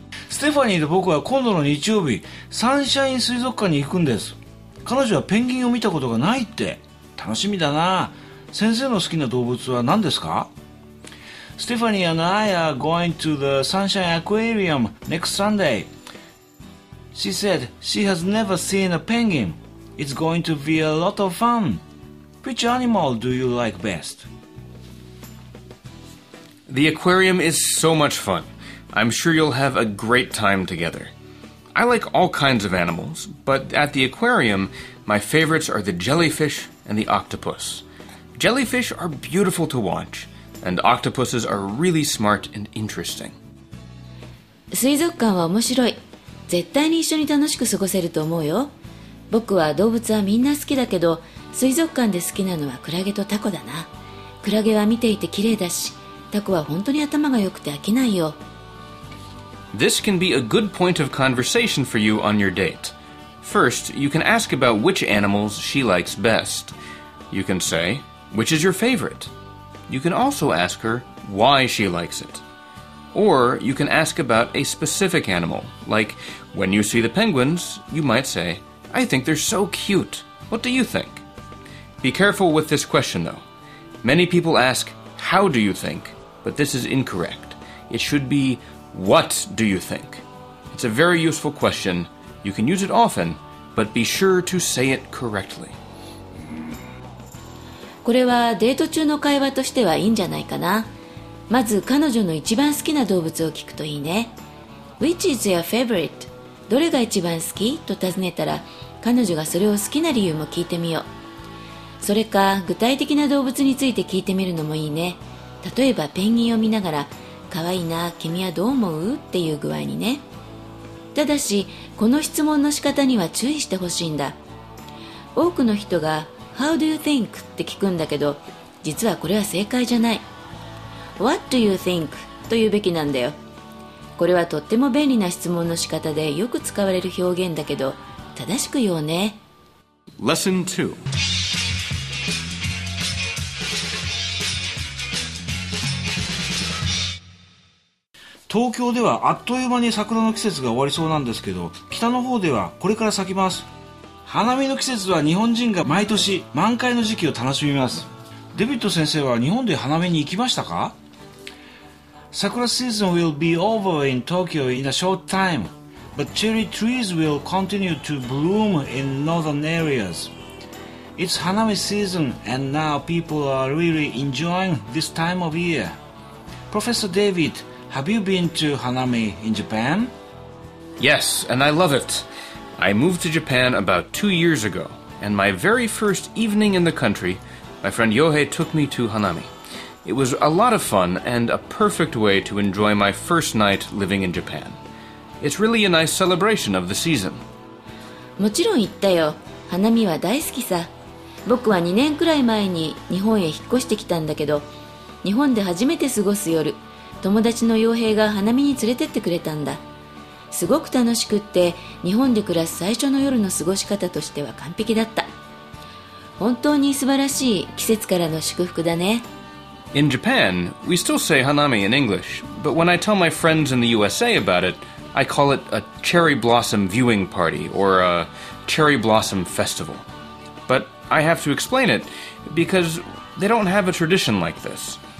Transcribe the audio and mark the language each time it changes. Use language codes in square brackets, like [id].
[ja] ステファニーと僕は今度の日曜日、サンシャイン水族館に行くんです。彼女はペンギンを見たことがないって。楽しみだな。先生の好きな動物は何ですか？ [en] Stephanie and I are going to the Sunshine Aquarium next Sunday. She said she has never seen a penguin. It's going to be a lot of fun. Which animal do you like best? The aquarium is so much fun. I'm sure you'll have a great time together. I like all kinds of animals, but at the aquarium, my favorites are the jellyfish and the octopus. Jellyfish are beautiful to watch. And octopuses are really smart and interesting. [ja] 水族館は面白い。絶対に一緒に楽しく過ごせると思うよ。僕は動物はみんな好きだけど、水族館で好きなのはクラゲとタコだな。クラゲは見ていて綺麗だし、タコは本当に頭が良くて飽きないよ。 [en] This can be a good point of conversation for you on your date. First, you can ask about which animals she likes best. You can say, which is your favorite? You can also ask her why she likes it. Or you can ask about a specific animal, like when you see the penguins, you might say, I think they're so cute. What do you think? Be careful with this question, though. Many people ask, how do you think? But this is incorrect. It should be, what do you think? It's a very useful question. You can use it often, but be sure to say it correctly. [ja] これはデート中の会話としてはいいんじゃないかな。まず彼女の一番好きな動物を聞くといいね。 [en] Which is your favorite? [ja] どれが一番好き？と尋ねたら、彼女がそれを好きな理由も聞いてみよう。それか具体的な動物について聞いてみるのもいいね。例えばペンギンを見ながら、かわいいな、君はどう思う？っていう具合にね。ただしこの質問の仕方には注意してほしいんだ。多くの人が [en] How do you think? [ja] って聞くんだけど、実はこれは正解じゃない。 [en] What do you think? [ja] と言うべきなんだよ。これはとっても便利な質問の仕方でよく使われる表現だけど、正しく言おうね。 [en] Lesson 2. [ja] 東京ではあっという間に桜の季節が終わりそうなんですけど、北の方ではこれから咲きます。花見の季節は日本人が毎年満開の時期を楽しみます。デビット先生は日本で花見に行きましたか？ [en] 桜 season will be over in Tokyo in a short time, but cherry trees will continue to bloom in northern areas. It's hanami season and now people are really enjoying this time of year. Professor David, have you been to hanami in Japan? Yes, and I love it. I moved to Japan about 2 years ago, and my very first evening in the country, my friend Yohei took me to hanami. It was a lot of fun and a perfect way to enjoy my first night living in Japan. It's really a nice celebration of the season. [ja] もちろん行ったよ。花見は大好きさ。僕は2年くらい前に日本へ引っ越してきたんだけど、日本で初めて過ごす夜、友達の傭兵が花見に連れてってくれたんだ。すごく楽しくって、日本で暮らす最初の夜の過ごし方としては完璧だった。本当に素晴らしい季節からの祝福だね。 [en] In Japan, we still say hanami in English, but when I tell my friends in the USA about it, I call it a cherry blossom viewing party or a cherry blossom festival. But I have to explain it because they don't have a tradition like this.